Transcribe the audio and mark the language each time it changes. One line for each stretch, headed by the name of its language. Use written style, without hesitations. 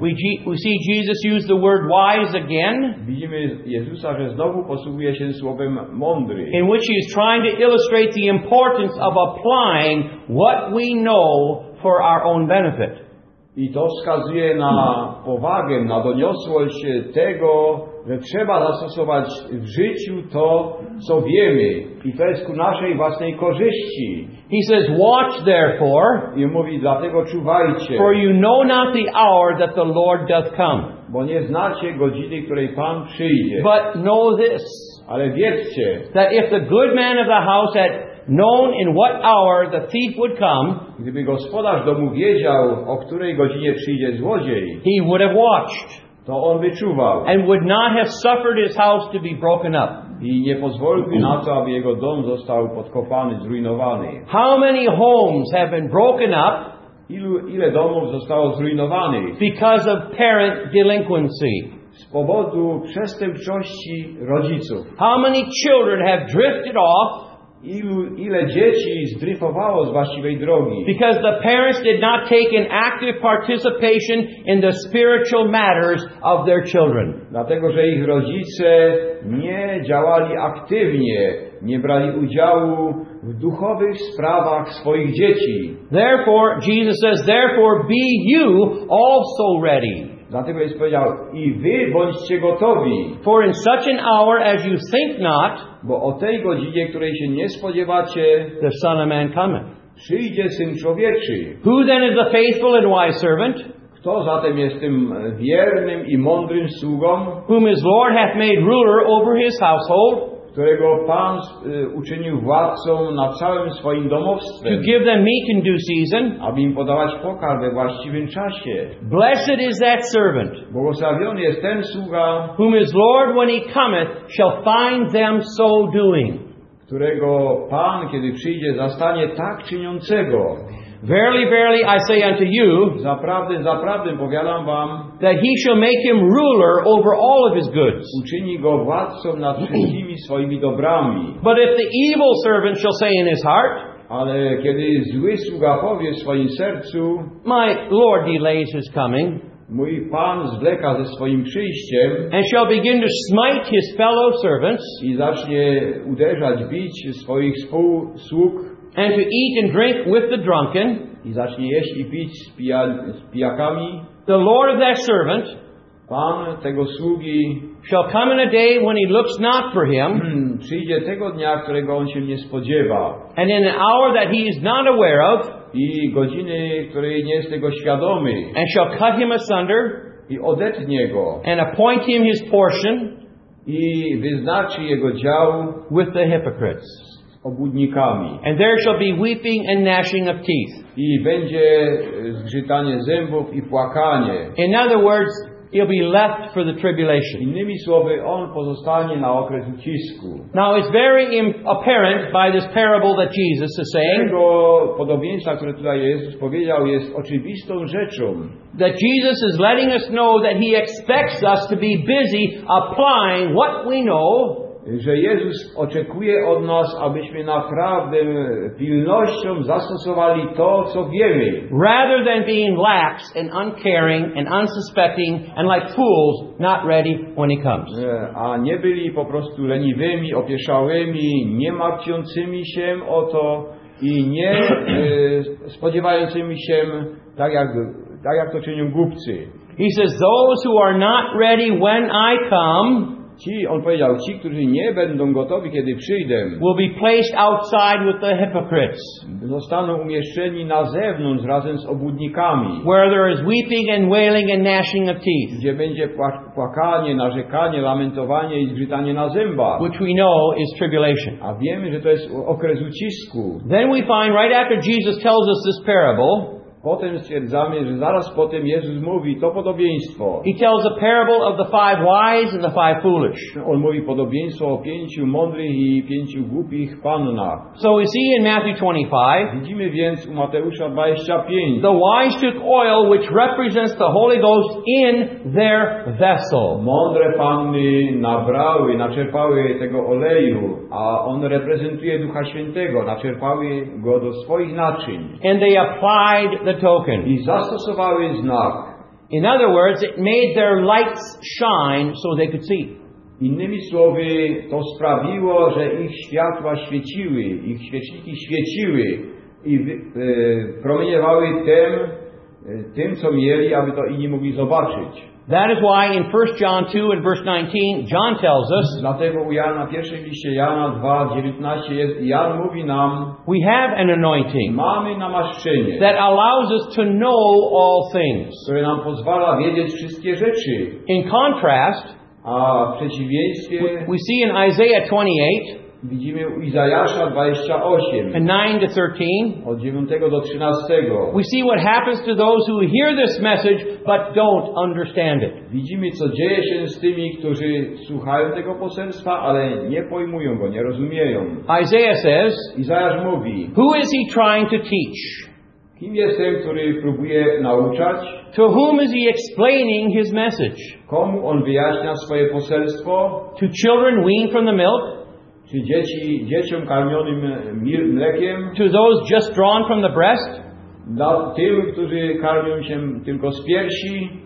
English: we see Jesus use the word wise again,
Polish: widzimy Jezusa, że znowu posługuje się słowem mądry,
English: in which he is trying to illustrate the importance of applying what we know for our own benefit.
Polish: I to wskazuje na powagę, na doniosłość tego, że trzeba zastosować w życiu to, co wiemy. I to jest ku naszej własnej korzyści.
English: He says, watch therefore.
Polish: I mówi, dlatego czuwajcie.
English: For you know not the hour that the Lord doth come.
Polish: Bo nie znacie godziny, której Pan przyjdzie.
English: But know this.
Polish: Ale wiedzcie.
English: That if the good man of the house had known in what hour the thief would come,
Polish: gdyby gospodarz domu wiedział, o której godzinie przyjdzie złodziej,
English: he would have watched,
Polish: to on by czuwał,
English: and would not have suffered his house to be broken up.
Polish: I nie pozwoliłby na to, aby jego dom został podkopany, zrujnowany.
English: How many homes have been broken up?
Polish: Ile domów zostało zrujnowanych?
English: Because of parent delinquency.
Polish: Z powodu przestępczości rodziców.
English: How many children have drifted off?
Polish: Ile dzieci zdryfowało z właściwej drogi?
English: Because the parents did not take an active participation in the spiritual matters of their children.
Polish: Dlatego, że ich rodzice nie działali aktywnie, nie brali udziału w duchowych sprawach swoich dzieci.
English: Therefore, Jesus says, therefore be you also ready.
Polish: Dlatego jest powiedział, i wy bądźcie gotowi.
English: For in such an hour as you think not,
Polish: bo o tej godzinie, której się nie spodziewacie,
English: the Son of Man cometh.
Polish: Przyjdzie Syn Człowieczy.
English: Who then is the faithful and wise servant?
Polish: Kto zatem jest tym wiernym i mądrym sługą?
English: Whom his Lord hath made ruler over his household?
Polish: Którego Pan uczynił władcą na całym swoim domostwem.
English: To give them meat in due season.
Polish: Aby im podawać pokarm we właściwym czasie.
English: Blessed is that servant.
Polish: Błogosławiony jest ten sługa.
English: Whom his Lord when he cometh shall find them so doing.
Polish: Którego Pan kiedy przyjdzie zastanie tak czyniącego.
English: Verily, verily, I say unto you,
Polish: zaprawdę, zaprawdę powiadam wam,
English: that he shall make him ruler over all of his goods.
Polish: Uczyni go władcą nad wszystkimi swoimi dobrami.
English: But if the evil servant shall say in his heart,
Polish: ale kiedy zły sługa powie w swoim sercu,
English: my Lord delays his coming,
Polish: mój Pan zwleka ze swoim przyjściem,
English: and shall begin to smite his fellow servants,
Polish: i zacznie uderzać, bić swoich współsług,
English: and to eat and drink with the drunken.
Polish: I zacznie jeść i pić z pijakami.
English: The Lord of that servant,
Polish: Pan tego sługi,
English: shall come in a day when he looks not for him.
Polish: Przyjdzie tego dnia, którego on się nie spodziewa.
English: And in an hour that he is not aware of,
Polish: i godziny, której nie jest tego świadomy,
English: and shall cut him asunder,
Polish: i odetnie go,
English: and appoint him his portion,
Polish: i wyznaczy jego dział,
English: with the hypocrites,
Polish: obłudnikami.
English: And there shall be weeping and gnashing of teeth.
Polish: I będzie zgrzytanie zębów i płakanie.
English: In other words, he'll be left for the tribulation.
Polish: Innymi słowy, on pozostanie na okres ucisku.
English: Now it's very apparent by this parable that Jesus is saying.
Polish: Tego podobieństwa, które tutaj Jezus powiedział, jest oczywistą rzeczą.
English: That Jesus is letting us know that he expects us to be busy applying what we know.
Polish: Że Jezus oczekuje od nas, abyśmy naprawdę pilnością zastosowali to, co wiemy.
English: Rather than being lax and uncaring and unsuspecting and like fools, not ready when he comes.
Polish: A nie byli po prostu leniwymi, opieszałymi, nie martwiącymi się o to i nie spodziewającymi się tak jak to czynią głupcy.
English: He says, those who are not ready when I come,
Polish: ci, on powiedział, ci, którzy nie będą gotowi, kiedy przyjdę,
English: will be placed outside with the hypocrites,
Polish: zostaną umieszczeni na zewnątrz razem z obłudnikami,
English: where there is weeping and wailing and gnashing of teeth,
Polish: gdzie będzie płakanie, narzekanie, lamentowanie i zgrzytanie na zębach,
English: which we know is tribulation.
Polish: A wiemy, że to jest okres ucisku.
English: Then we find right after Jesus tells us this parable,
Polish: potem stwierdzamy, że zaraz potem Jezus mówi to podobieństwo.
English: He tells a parable of the five wise and the five foolish.
Polish: On mówi podobieństwo o pięciu mądrych i pięciu głupich pannach.
English: So we see in Matthew 25,
Polish: widzimy więc u Mateusza 25,
English: the wise took oil which represents the Holy Ghost in their vessel.
Polish: Mądre panny nabrały, naczerpały tego oleju, a on reprezentuje Ducha Świętego, naczerpały go do swoich naczyń.
English: And they applied the token.
Polish: I zastosowały znak.
English: In other words, it made their lights shine so they could see.
Polish: Innymi słowy, to sprawiło, że ich światła świeciły, ich świeczniki świeciły i promieniowały tym, co mieli, aby to inni mogli zobaczyć.
English: That is why in 1 John 2 and verse 19, John tells us,
Polish: dlatego u Jana, pierwszym liście Jana 2, 19 jest, Jan mówi nam,
English: we have an anointing,
Polish: mamy namaszczenie,
English: that allows us to know all things,
Polish: które nam pozwala wiedzieć wszystkie rzeczy.
English: In contrast,
Polish: a w przeciwieństwie,
English: we see in Isaiah 28,
Polish: widzimy u Izajasza 28,
English: 9-13,
Polish: od 9 do 13.
English: We see what happens to those who hear this message but don't understand it.
Polish: Widzimy, co dzieje się z tymi, którzy słuchają tego poselstwa, ale nie pojmują go, nie rozumieją.
English: Isaiah says,
Polish: Izajasz mówi,
English: who is he trying to teach?
Polish: Kim jest ten, który próbuje nauczać?
English: To whom is he explaining his message?
Polish: Komu on wyjaśnia swoje poselstwo?
English: To children weaned from the milk?
Polish: Czy dzieciom karmionym mlekiem?
English: To those just drawn from the breast?
Polish: Dla tym, którzy karmią się tylko z piersi?